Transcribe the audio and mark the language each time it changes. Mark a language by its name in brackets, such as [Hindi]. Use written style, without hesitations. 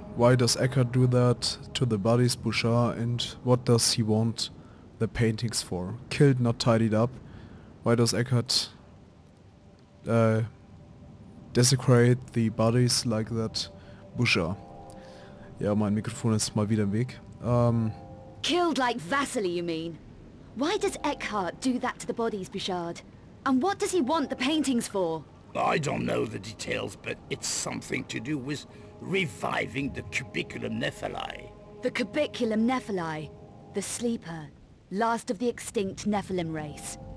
[English] Why does Eckhart do that to the bodies, Bouchard, and what does he want the paintings for? Killed, not tidied up? Why does Eckhart desecrate the bodies like that, Bouchard? [German] Ja, mein Mikrofon ist mal wieder im Weg. [English] Killed like Vasily, you mean? Why does Eckhart do that to the bodies, Bouchard? And what does he want the paintings for? I don't know the details, but it's something to do with reviving the Cubiculum Nephili. The Cubiculum Nephili? The Sleeper? Last of the extinct Nephilim race?